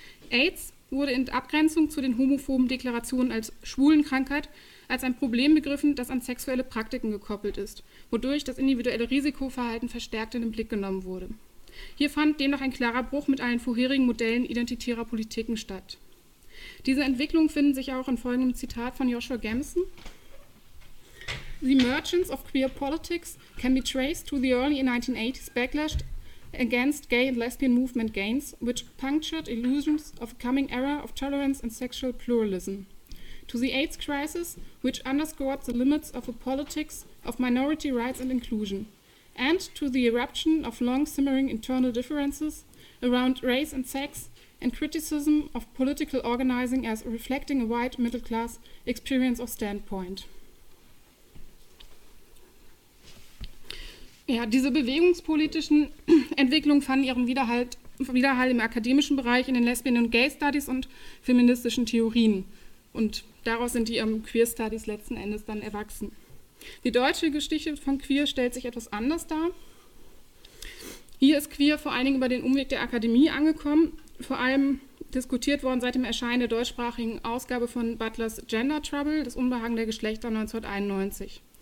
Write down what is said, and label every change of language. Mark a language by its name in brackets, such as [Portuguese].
[German] AIDS wurde in Abgrenzung zu den homophoben Deklarationen als Schwulenkrankheit als ein Problem begriffen, das an sexuelle Praktiken gekoppelt ist, wodurch das individuelle Risikoverhalten verstärkt in den Blick genommen wurde. Hier fand demnach ein klarer Bruch mit allen vorherigen Modellen identitärer Politiken statt. Diese Entwicklungen finden sich auch in folgendem Zitat von Joshua Gamson. [English] The emergence of queer politics can be traced to the early 1980s backlash against gay and lesbian movement gains, which punctured illusions of a coming era of tolerance and sexual pluralism. To the AIDS crisis, which underscored the limits of a politics of minority rights and inclusion, and to the eruption of long simmering internal differences around race and sex, and criticism of political organizing as reflecting a white middle class experience or standpoint. [German] Ja, diese bewegungspolitischen Entwicklungen fanden ihren Widerhall im akademischen Bereich in den Lesbian und Gay Studies und feministischen Theorien. Und daraus sind die Queer Studies letzten Endes dann erwachsen. Die deutsche Geschichte von Queer stellt sich etwas anders dar. Hier ist Queer vor allen Dingen über den Umweg der Akademie angekommen, vor allem diskutiert worden seit dem Erscheinen der deutschsprachigen Ausgabe von Butlers Gender Trouble, das Unbehagen der Geschlechter 1991.